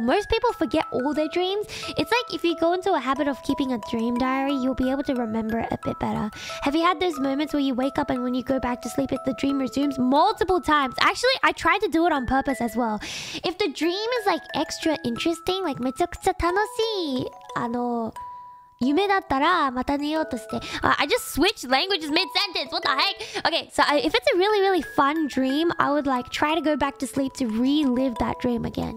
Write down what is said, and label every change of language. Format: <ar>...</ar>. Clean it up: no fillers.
<en>Most people forget all their dreams. It's like if you go into a habit of keeping a dream diary, you'll be able to remember it a bit better. Have you had those moments where you wake up and when you go back to sleep, if the dream resumes multiple times? Actually, I tried to do it on purpose as well. If the dream is like extra interesting, like</en> <ja>めちゃくちゃ楽しい夢だったらまた寝ようとして。</ja> <en>I just switched languages mid-sentence. What the heck? Okay, so if it's a really, really fun dream, I would like try to go back to sleep to relive that dream again.</en>